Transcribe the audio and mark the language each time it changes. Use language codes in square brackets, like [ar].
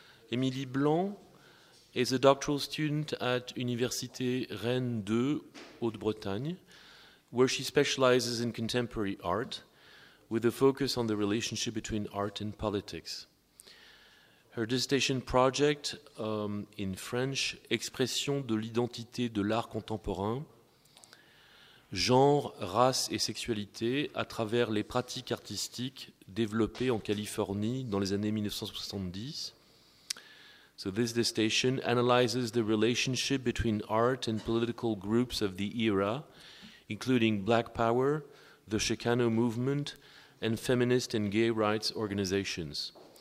[en] Émilie Blanc is a doctoral student at Université Rennes 2, Haute-Bretagne, where she specializes in contemporary art with a focus on the relationship between art and politics. Her dissertation project, in French, [fr] Expression de l'identité de l'art contemporain, genre, race et sexualité à travers les pratiques artistiques développées en Californie dans les années 1970. [en] So this dissertation analyzes the relationship between art and political groups of the era, including Black Power, the Chicano movement, and feminist and gay rights organizations.